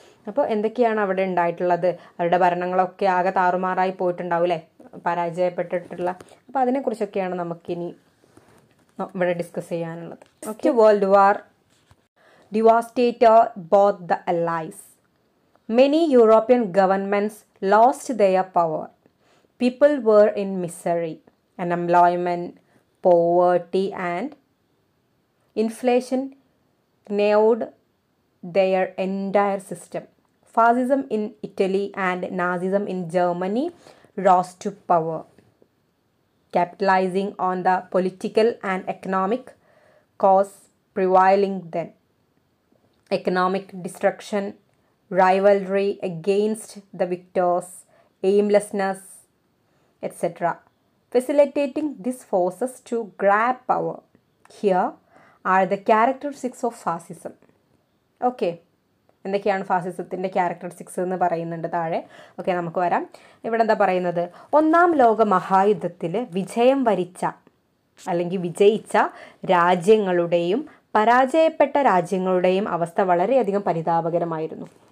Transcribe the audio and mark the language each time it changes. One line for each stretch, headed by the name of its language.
Malayalam: അപ്പോൾ എന്തൊക്കെയാണ് അവിടെ ഉണ്ടായിട്ടുള്ളത്? അവരുടെ ഭരണങ്ങളൊക്കെ ആകെ താറുമാറായി പോയിട്ടുണ്ടാവും അല്ലേ, പരാജയപ്പെട്ടിട്ടുള്ള. അപ്പോൾ അതിനെക്കുറിച്ചൊക്കെയാണ് നമുക്കിനി ഇവിടെ ഡിസ്കസ് ചെയ്യാനുള്ളത്. Okay.
English: World war devastate both the allies. Many European governments lost their power. People were in misery. Unemployment, poverty and inflation gnawed their entire system. Fascism in Italy and Nazism in Germany rose to power, capitalizing on the political and economic cause prevailing then. Economic destruction, rivalry against the victors, aimlessness, etc. facilitating these forces to grab power. Here are the characteristics of fascism. Okay.
Malayalam: എന്തൊക്കെയാണ് ഫാസിസത്തിൻ്റെ characteristics എന്ന് പറയുന്നുണ്ട് താഴെ. Okay, നമുക്ക് വരാം. ഇവിടെ എന്താ പറയുന്നത്? ഒന്നാം ലോക മഹായുദ്ധത്തിൽ വിജയം വരിച്ച അല്ലെങ്കിൽ വിജയിച്ച രാജ്യങ്ങളുടെയും പരാജയപ്പെട്ട രാജ്യങ്ങളുടെയും അവസ്ഥ വളരെയധികം പരിതാപകരമായിരുന്നു.